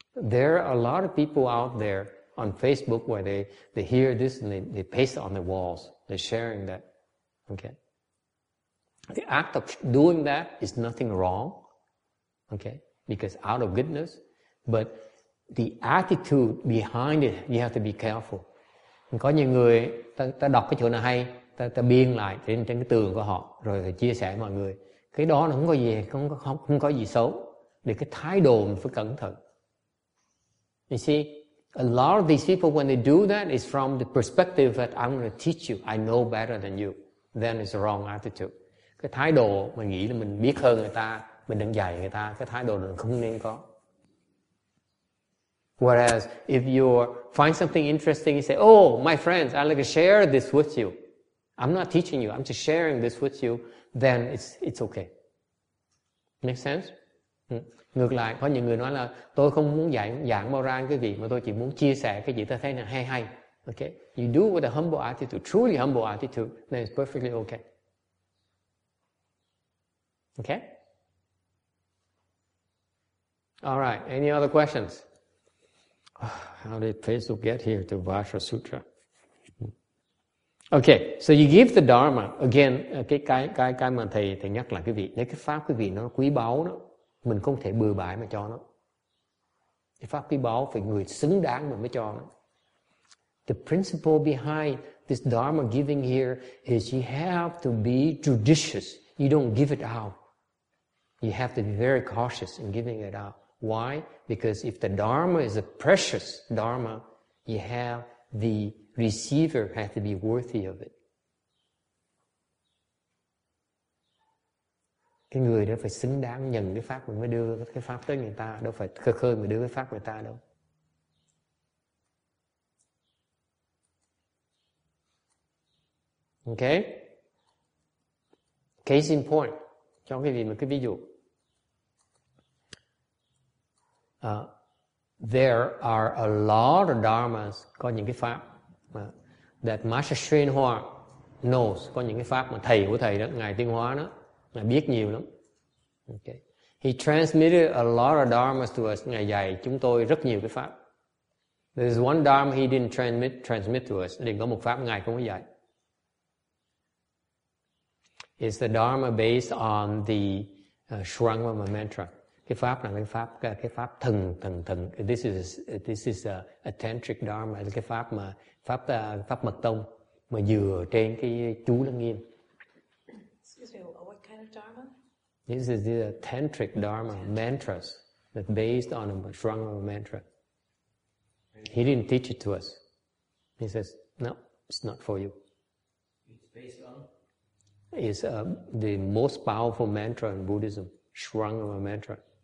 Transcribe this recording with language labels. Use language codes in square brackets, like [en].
[en] There are a lot of people out there on Facebook where they hear this and they paste it on the walls. They're sharing that. Okay. The act of doing that is nothing wrong. Okay. Because out of goodness. But the attitude behind it, you have to be careful. [vi] Có nhiều người ta đọc cái chỗ nào hay, ta biên lại trên cái tường của họ, rồi chia sẻ mọi người. Cái đó nó không có gì, không có gì xấu. Để cái thái độ mình phải cẩn thận. [en] You see, a lot of these people, when they do that, is from the perspective that I'm going to teach you, I know better than you. Then it's the wrong attitude. [vi] Cái thái độ mà nghĩ là mình biết hơn người ta, mình đang dạy người ta, cái thái độ này không nên có. [en] Whereas, if you find something interesting, you say, oh, my friends, I'd like to share this with you. I'm not teaching you, I'm just sharing this with you. Then it's okay. Make sense? [vi] Ngược lại, có những người nói là tôi không muốn giảng bao rang cái gì, mà tôi chỉ muốn chia sẻ cái gì tôi thấy là hay. [en] Okay? You do with a humble attitude, truly humble attitude, then it's perfectly okay. Okay? All right, any other questions? How did Facebook get here to Vajra Sutra? Okay, so you give the Dharma. [vi] Again, cái mà thầy nhắc lại quý vị, nếu cái pháp quý vị nó quý báu đó, mình không thể bừa bãi mà cho nó. Cái pháp quý báu phải người xứng đáng mà mới cho nó. [en] The principle behind this Dharma giving here is you have to be judicious. You don't give it out. You have to be very cautious in giving it out. Why? Because if the Dharma is a precious Dharma, you have the receiver has to be worthy of it. [vi] Cái người đó phải xứng đáng nhận cái pháp mình mới đưa cái pháp tới người ta, đâu phải khơi khơi mà đưa cái pháp người ta đâu. [en] Okay? Case in point, [vi] cho quý vị một cái ví dụ. [en] There are a lot of dharmas, [vi] có những cái pháp [en] that Master Shrin Hoa knows, [vi] có những cái pháp mà thầy của thầy đó, ngài Tiên Hóa đó, ngài biết nhiều lắm. Okay. [en] He transmitted a lot of dharmas to us, [vi] ngài dạy chúng tôi rất nhiều cái pháp. [en] There's one dharma he didn't transmit to us, [vi] liền có một pháp ngài không có dạy. [en] It's the dharma based on the Shurangama mantra. [vi] Cái pháp là cái pháp thần. [en] This is a tantric dharma, [vi] cái pháp mật tông mà dựa trên cái chú lăng nghiêm. [en] Excuse me, what kind of dharma? This is the tantric dharma mantras that based on a strong mantra. He didn't teach it to us. He says, no, it's not for you. It's based on? It's the most powerful mantra in Buddhism, Shurangama mantra.